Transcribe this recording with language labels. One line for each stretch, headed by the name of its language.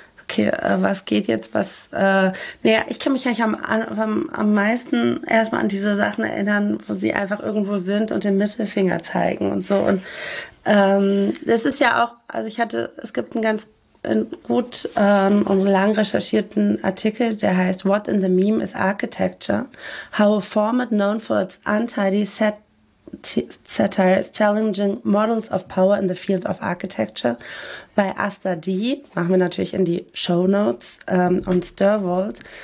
German: Okay, was geht jetzt, was... ich kann mich eigentlich am meisten erstmal an diese Sachen erinnern, wo sie einfach irgendwo sind und den Mittelfinger zeigen und so. Und das ist ja auch, also es gibt einen ganz gut und lang recherchierten Artikel, der heißt What in the Meme is Architecture?
English: How a format known for its untidy satire is challenging models of power in the field of architecture.
German: Bei Asta D, machen wir natürlich in die Shownotes, und Sturwold.